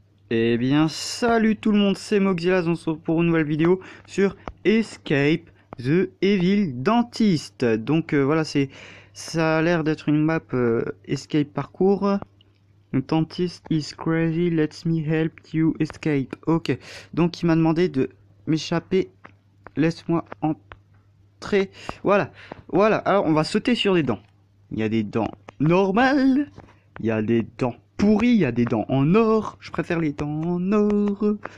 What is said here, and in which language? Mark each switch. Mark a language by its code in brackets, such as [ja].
[fr] Eh bien, salut tout le monde, c'est Mogzilla, on se retrouve pour une nouvelle vidéo sur Escape the Evil Dentist. Donc voilà, ça a l'air d'être une map Escape Parcours. [en] Dentist is crazy, let me help you escape. [fr] Ok, donc il m'a demandé de m'échapper. Laisse-moi entrer. Voilà. Alors, on va sauter sur des dents. Il y a des dents normales, il y a des dents pourri, il y a des dents en or. Je préfère les dents en or.